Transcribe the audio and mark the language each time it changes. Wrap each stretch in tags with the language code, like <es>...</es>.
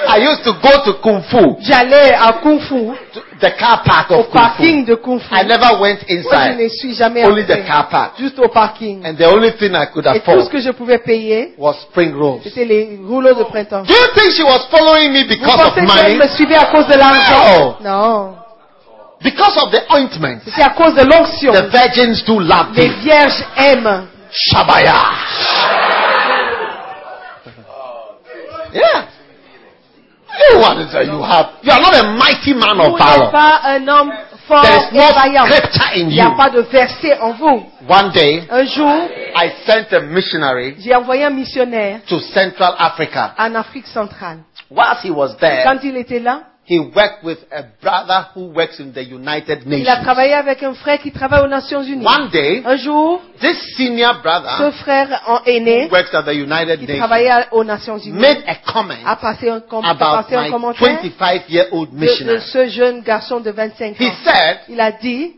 <en>I used to go to Kung Fu.</en> <fr>J'allais à Kung Fu.</fr> <en>The car park of</en> <fr>au parking de Kung Fu.</fr> <en>I never went inside.</en> <fr>Moi, je ne suis jamais</fr> <en>only entrée. The car park.</en> <fr>Juste au parking.</fr> <en>And the only thing I could</en> <fr>et</fr> <en>afford</en> <fr>tout ce que je pouvais payer</fr> <en>was spring rolls.</en> <fr>C'était les rouleaux de printemps.</fr> <en>Do you think she was following me because</en> <fr>vous</fr> <en>of money?</en> <fr>Vous pensez qu'elle me suivait à cause de l'argent?</fr> <en>No. No. Because of the ointment.</en> <fr>C'est à cause de l'onction.</fr> <en>The virgins do love</en> <fr>les vierges aiment. Shabaya.</fr> <en>Yeah. What is that you have? You are not a mighty man of valor.</en> <fr>Pas un homme fort.</fr> <en>There is no scripture in you.</en> <fr>Il y a pas de verset en vous.</fr> <en>One day,</en> <fr>un jour,</fr> <en>I sent a missionary.</en> <fr>J'ai envoyé un missionnaire</fr> <en>to Central Africa.</en> <fr>En Afrique centrale.</fr> <en>Whilst he was there,</en> <fr>quand il était là,</fr> <en>he worked with a brother who works in the United Nations.</en> <fr>Il a travaillé avec un frère qui travaille aux Nations Unies.</fr> <en>One day,</en> <fr>un jour,</fr> <en>this senior brother,</en> <fr>ce frère en aîné,</fr> <en>who works at the United Nations,</en> <fr>qui travaillait aux Nations Unies,</fr> <en>made a comment</en> <fr>a passé un commentaire</fr> <en>about my 25-year-old missionary.</en> <fr>De ce jeune garçon de 25 ans.</fr> <en>He said,</en> <fr>il a dit,</fr>